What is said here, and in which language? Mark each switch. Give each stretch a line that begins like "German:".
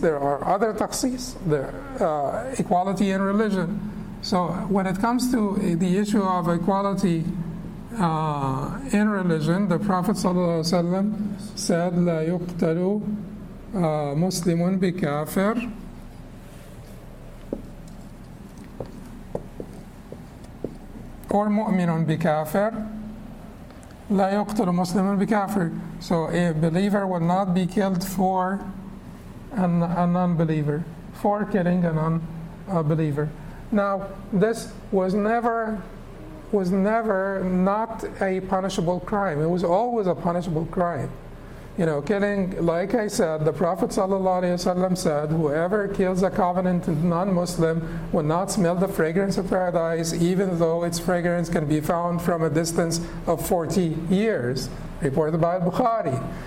English: There are other takhsis, equality in religion. So when it comes to the issue of equality in religion, the Prophet ﷺ said,
Arabic: لا يقتل مسلم بكافر.
English: Or
Arabic: مؤمن بكافر. لا يقتل مسلم بكافر.
English: So a believer will not be killed for a non-believer, for killing a non-believer. Now, this was never not a punishable crime. It was always a punishable crime. You know, killing, like I said, the Prophet ﷺ said, whoever kills a covenanted non-Muslim will not smell the fragrance of paradise, even though its fragrance can be found from a distance of 40 years, reported by Bukhari.